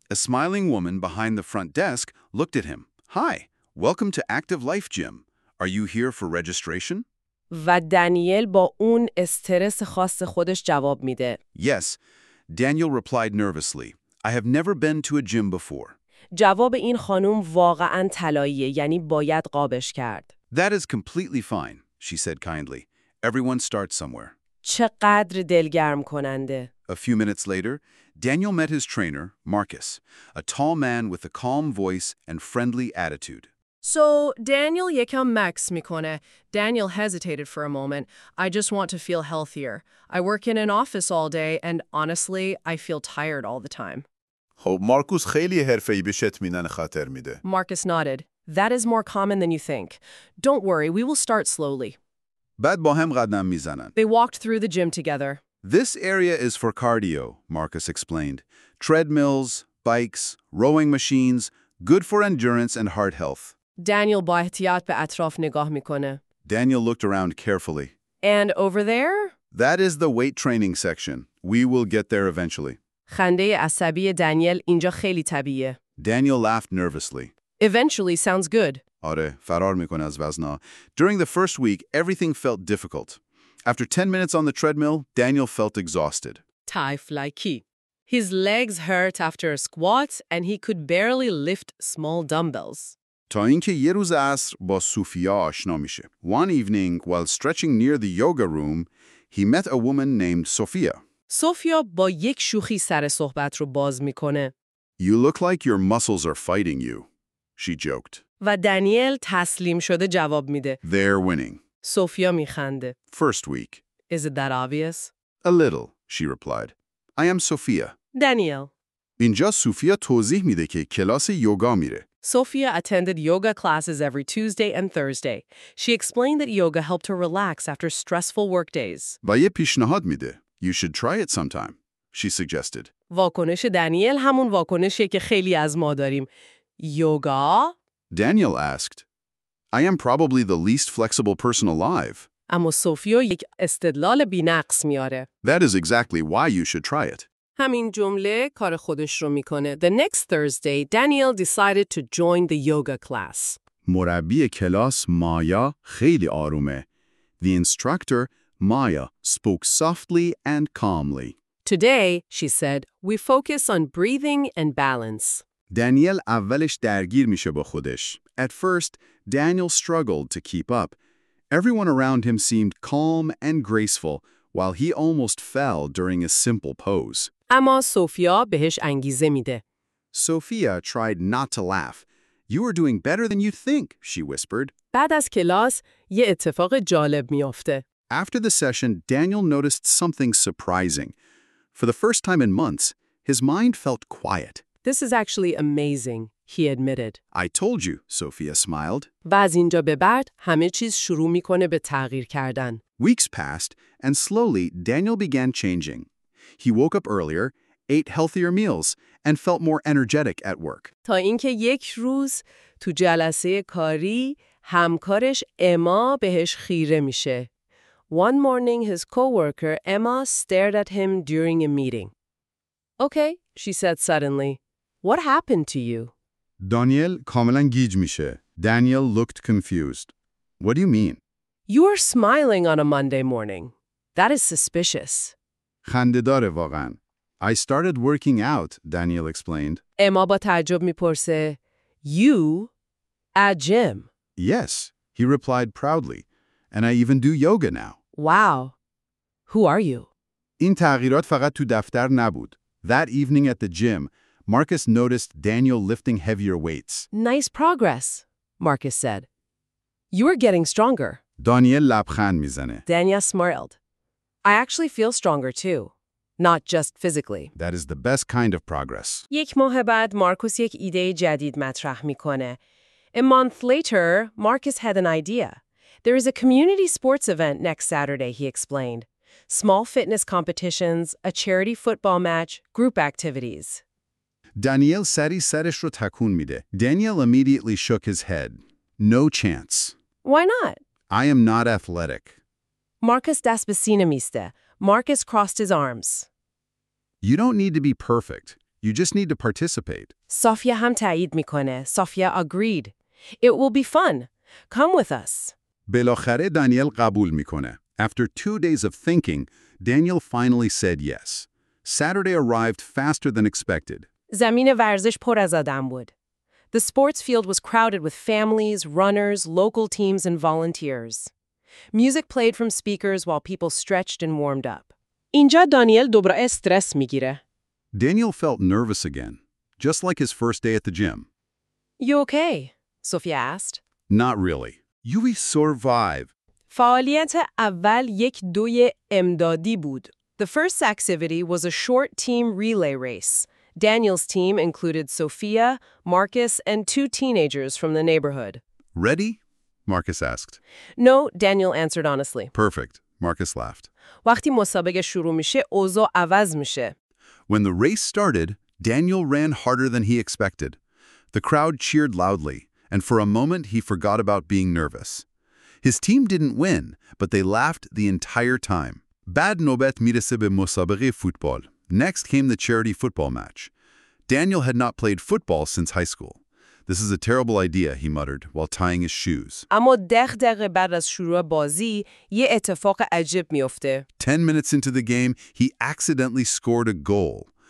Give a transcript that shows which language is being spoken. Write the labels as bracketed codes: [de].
[en] A smiling woman behind the front desk looked at him. Hi, welcome to Active Life Gym. Are you here for registration? [fa] و دانیل با اون استرس خاص خودش جواب میده. [en] Yes, Daniel replied nervously. I have never been to a gym before. [fa] جواب این خانم واقعا طلاییه، یعنی باید قابش کرد. [en] That is completely fine, she said kindly. Everyone starts somewhere. [fa] چقدر دلگرم کننده. [en] A few minutes later, Daniel met his trainer, Marcus, a tall man with a calm voice and friendly attitude. So, Daniel [fa] یکم مکس میکنه. [en] Daniel hesitated for a moment. I just want to feel healthier. I work in an office all day, and honestly, I feel tired all the time. [fa] خب، مارکوس خیلی حرفه‌ای بهش اطمینان خاطر میده. [en] Marcus nodded. That is more common than you think. Don't worry, we will start slowly. [fa] بعد با هم قدم میزنن. [en] They walked through the gym together. This area is for cardio, Marcus explained. Treadmills, bikes, rowing machines, good for endurance and heart health. [fa] Daniel با احتیاط به اطراف نگاه میکنه. [en] Daniel looked around carefully. And over there? That is the weight training section. We will get there eventually. [fa] خنده عصبی دانیل اینجا خیلی طبیعیه. [en] Daniel laughed nervously. Eventually sounds good. [fa] آره، فرار میکنه از وزنا. [en] During the first week, everything felt difficult. After 10 minutes on the treadmill, Daniel felt exhausted. Typhlike. His legs hurt after a squat and he could barely lift small dumbbells. [fa] تا اینکه یه روز عصر با سوفیا آشنا میشه. [en] One evening, while stretching near the yoga room, he met a woman named Sophia. [fa] Sophia با یک شوخی سر صحبت رو باز میکنه. [en] You look like your muscles are fighting you, she joked. [fa] و دانیل تسلیم شده جواب میده. [en] They're winning. [fa] سوفیا میخنده. [en] First week. Is it that obvious? A little, she replied. I am Sophia. [fa] دانیل. اینجا سوفیا توضیح میده که کلاس یوگا میره. [en] Sophia attended yoga classes every Tuesday and Thursday. She explained that yoga helped her relax after stressful work days. [fa] بایه پیشنهاد میده. [en] You should try it sometime, she suggested. [fa] واکنش دانیل همون واکنشیه که خیلی از ما داریم. یوگا؟ [en] Daniel asked. I am probably the least flexible person alive. [fa] اما سوفیو یک استدلال بی‌نقص میاره. [en] That is exactly why you should try it. [fa] همین جمله کار خودش رو میکنه. [en] The next Thursday, Daniel decided to join the yoga class. [fa] مربی کلاس مایا خیلی آرومه. [en] The instructor, Maya, spoke softly and calmly. Today, she said, we focus on breathing and balance. [fa] دانیل اولش درگیر میشه با خودش. [en] At first, Daniel struggled to keep up. Everyone around him seemed calm and graceful, while he almost fell during a simple pose. [fa] اما سوفیا بهش انگیزه میده. [en] Sophia tried not to laugh. You are doing better than you think, she whispered. [fa] بعد از کلاس یه اتفاق جالب میافته. [en] After the session, Daniel noticed something surprising. For the first time in months, his mind felt quiet. This is actually amazing, he admitted. I told you, Sophia smiled. [fa] و از اینجا به بعد همه چیز شروع میکنه به تغییر کردن. [en] Weeks passed, and slowly Daniel began changing. He woke up earlier, ate healthier meals, and felt more energetic at work. [fa] تا اینکه یک روز تو جلسه کاری همکارش اما بهش خیره میشه. [en] One morning, his co-worker Emma stared at him during a meeting. Okay, she said suddenly. What happened to you? Daniel [fa] کاملا گیج میشه. [en] Daniel looked confused. What do you mean? You are smiling on a Monday morning. That is suspicious. [fa] خنده‌داره واقعا. [en] I started working out, Daniel explained. [fa] اما با تعجب میپرسه, [en] You at gym? Yes, he replied proudly. And I even do yoga now. Wow. Who are you? [fa] این تغییرات فقط تو دفتر نبود. [en] That evening at the gym, Marcus noticed Daniel lifting heavier weights. Nice progress, Marcus said. You are getting stronger. [fa] دانیل لبخند میزنه. [en] Daniel smiled. I actually feel stronger too, not just physically. That is the best kind of progress. [fa] یک ماه بعد مارکوس یک ایده جدید مطرح میکنه. [en] A month later, Marcus had an idea. There is a community sports event next Saturday, he explained. Small fitness competitions, a charity football match, group activities. [fa] دانیل سری سرش رو تکون میده. [en] Daniel immediately shook his head. No chance. Why not? I am not athletic. Marcus [fa] دست به سینه میسته. [en] Marcus crossed his arms. You don't need to be perfect. You just need to participate. [fa] سافیا هم تایید میکنه. [en] Sofia agreed. It will be fun. Come with us. [fa] بالاخره دانیل قبول میکنه. [en] After 2 days of thinking, Daniel finally said yes. Saturday arrived faster than expected. [fa] زمین ورزش پر از آدم بود. [en] The sports field was crowded with families, runners, local teams, and volunteers. Music played from speakers while people stretched and warmed up. [fa] اینجا دانیل دوباره استرس میگیره. [en] Daniel felt nervous again, just like his first day at the gym. You okay? Sophia asked. Not really. You will survive. [fa] فعالیت اول یک دوی امدادی بود. [en] The first activity was a short team relay race. Daniel's team included Sophia, Marcus, and 2 teenagers from the neighborhood. Ready? Marcus asked. No, Daniel answered honestly. Perfect. Marcus laughed. [fa] وقتی مسابقه شروع میشه، اوضاع عوض میشه. [en] When the race started, Daniel ran harder than he expected. The crowd cheered loudly. And for a moment, he forgot about being nervous. His team didn't win, but they laughed the entire time. [fa] بعد نوبت میرسه به مسابقه فوتبال. [en] Next came the charity football match. Daniel had not played football since high school. This is a terrible idea, he muttered, while tying his shoes. [fa] اما 10 دقیقه بعد از شروع بازی، یه اتفاق عجیب میفته. [en] 10 minutes into the game, he accidentally scored a goal.